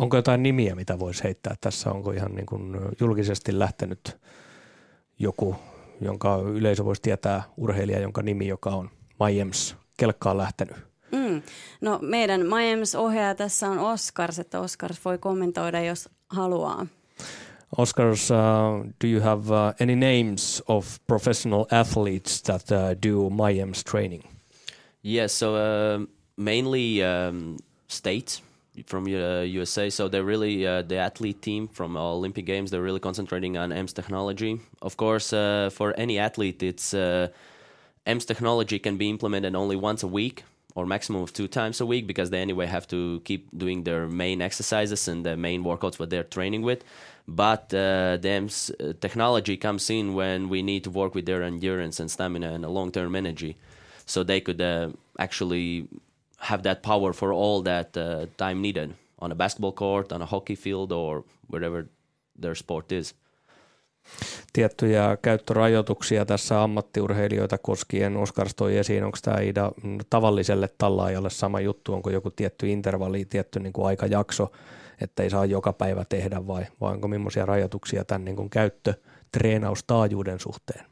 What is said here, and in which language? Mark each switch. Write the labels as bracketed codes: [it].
[fi] Onko jotain nimiä, mitä voisi heittää tässä? Onko ihan niin kuin julkisesti lähtenyt joku, jonka yleisö voisi tietää, urheilija, jonka nimi, joka on MyAMS, kelkkaan lähtenyt? No, meidän MyAMS-ohjaaja tässä on Oskars, että Oskars voi kommentoida, jos haluaa. [en] Oskars, do you have any names of professional athletes that do MyAMS training? Yes, so mainly states, from USA. So they're really the athlete team from Olympic Games. They're really concentrating on EMS technology. Of course, for any athlete, it's EMS technology can be implemented only once a week or maximum of two times a week, because they anyway have to keep doing their main exercises and the main workouts what they're training with. But the EMS technology comes in when we need to work with their endurance and stamina and long-term energy. So they could actually have that power for all that time needed on a basketball court, on a hockey field, or wherever their sport is. [fi] Tiettyjä käyttörajoituksia tässä ammattiurheilijoita koskien. Oskar toi esiin, onko tämä Ida tavalliselle tallaajalle sama juttu, onko joku tietty intervalli, tietty niin kuin aikajakso, että ei saa joka päivä tehdä, vai onko millaisia rajoituksia tämän niin kuin käyttötreenaustaajuuden suhteen?